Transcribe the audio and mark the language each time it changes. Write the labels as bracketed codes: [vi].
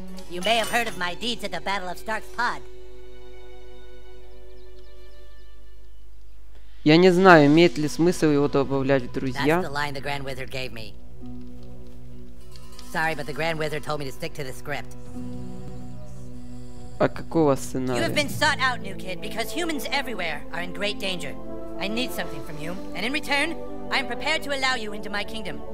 [en] You may have heard of my deeds at the Battle of Stark's Pod. [ru] Я не знаю, имеет ли смысл его добавлять в друзья. [en] That's the line the Grand Wizard gave me. Sorry, but the Grand Wizard told me to stick to the script. [ru] А какого сценария? [en] You have been sought out, new kid, because humans everywhere are in great danger. I need something from you, and in return, I am prepared to allow you into my kingdom.